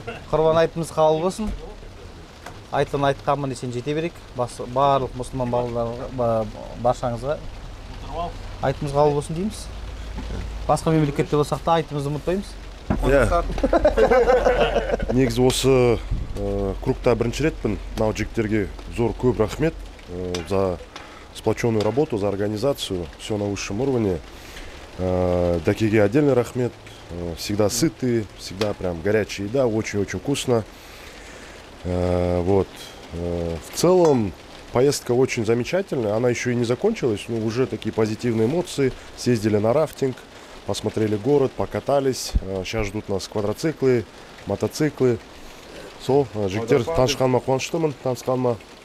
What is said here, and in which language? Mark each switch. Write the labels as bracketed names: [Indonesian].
[Kazakh] Құрбан айтымыз қабыл болсын. Айтын айтқанмын десең жете берейік. Барлық мұсылман бауырларға, баршаңызға. Айтымыз қабыл болсын дейміз. Басқа мемлекетте болсақ та айтымызды ұмытпаймыз. Иә. Негізі осы Крукта бірінші ретпін. Мынау жігіттерге зор көп рахмет [Russian] за сплоченную работу, за организацию, все на высшем уровне. Дакиге отдельный рахмет. Всегда сытые, всегда прям горячая еда, очень-очень вкусно. Вот. В целом, поездка очень замечательная. Она еще и не закончилась, но уже такие позитивные эмоции. Съездили на рафтинг. Посмотрели город, покатались. Сейчас ждут нас квадроциклы, мотоциклы. [Kazakh] Сол, жігіттер танысқаныма қуаныштымын, танысқаныма.